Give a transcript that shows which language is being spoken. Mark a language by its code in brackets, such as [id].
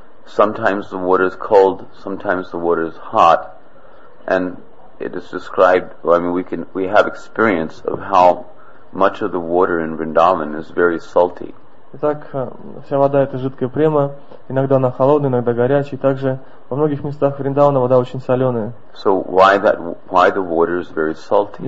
[en] Sometimes the water is cold, sometimes the water is hot, and it is described, we have experience of how much of the water in Vrindavan is very salty. [ru] Итак, вся вода — это жидкая према. Иногда она холодная, иногда горячая. Также во многих местах Вриндавана вода очень соленая. [en] So why that, why the water is very salty?